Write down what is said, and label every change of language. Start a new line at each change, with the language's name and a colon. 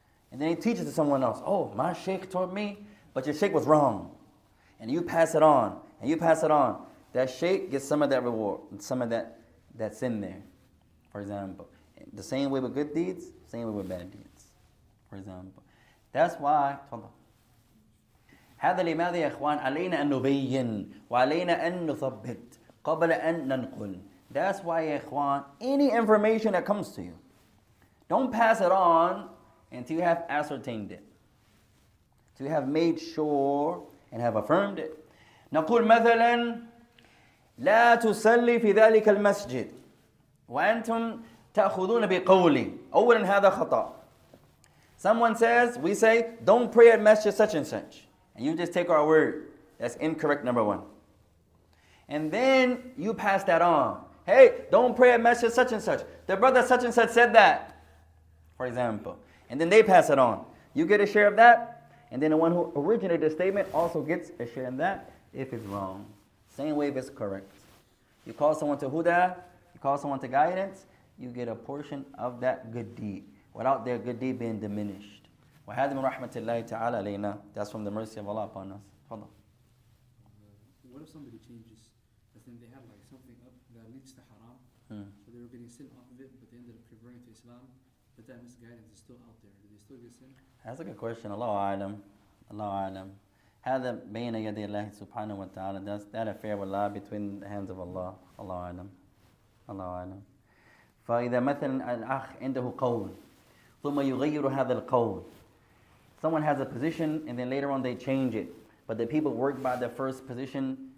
English: And then he teaches to someone else, oh, my sheikh taught me, but your sheikh was wrong. And you pass it on, and you pass it on. That sheikh gets some of that reward, some of that sin there, for example. The same way with good deeds, same way with bad deeds, for example. That's why,
Arabic: هذا لماذا يا إخوان علينا أن نبين وعلينا أن نثبت قبل أن ننقل.
English: That's why, يا إخوان, any information that comes to you, don't pass it on until you have ascertained it. Until you have made sure and have affirmed it.
Arabic: نقول مثلا لا تصلي في ذلك المسجد وأنتم تأخذون بقولي. أولا هذا خطأ.
English: Someone says, we say, don't pray at masjid such and such. And you just take our word. That's incorrect, number one. And then you pass that on. Hey, don't pray at masjid such and such. The brother such and such said that, for example. And then they pass it on. You get a share of that, and then the one who originated the statement also gets a share in that if it's wrong. Same way if it's correct. You call someone to huda, you call someone to guidance, you get a portion of that good deed without their good deed being diminished.
Arabic: وَهَذَا مِنْ رَحْمَةِ اللَّهِ تَعَالَى عَلَيْنَا.
English: That's from the mercy of Allah upon us. What if somebody changes, and then they have like something up that leads to haram, so they were getting sin off of it, but they ended up converting to Islam, but that misguidance is still out there. Do they still get sin? That's a good question. Allahu A'lam. Allahu A'lam.
Arabic: هذا بين يدي الله سبحانه وتعالى.
English: That's that affair with Allah between the hands of Allah. Allahu A'lam. Allahu A'lam.
Arabic: فإذا مثلا الأخ عنده قول ثم يغير هذا القول.
English: Someone has a position and then later on they change it. But the people work by the first position.